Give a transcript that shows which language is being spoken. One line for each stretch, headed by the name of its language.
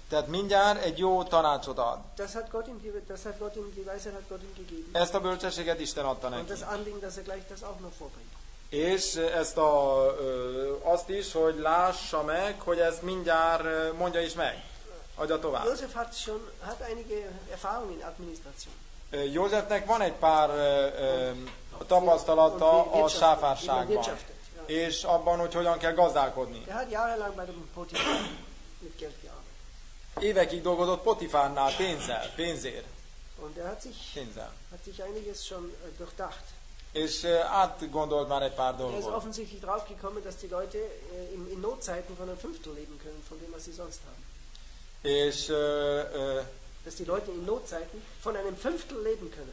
Hungarian: Tehát mindjárt egy jó tanácsot ad.
German: Die Weisheit hat Gott ihm gegeben.
Hungarian: Ezt a bölcsességet Isten adta neki.
German: Und das Anliegen, dass er gleich das auch noch vorbringt.
Hungarian: És ezt a, azt is, hogy lássa meg, hogy ezt mindjárt mondja is meg. Adja tovább.
German: Josef hat einige Erfahrung in Administration.
Hungarian: Józsefnek van egy pár tapasztalata a sáfárságban. És abban, hogy hogyan kell gazdálkodni.
German: Er hat jahrelang bei dem Potiphar mit Geld gearbeitet.
Hungarian: Évekig dolgozott Potifárnál pénzért.
German: Und er hat sich einiges schon durchdacht.
Hungarian: És átgondolt már egy pár dolgot.
German: Er ist offensichtlich drauf gekommen, dass die Leute in Notzeiten von einem Fünftel leben können, von dem, was sie sonst haben.
Hungarian: És
German: dass die Leute in Notzeiten von einem Fünftel leben können.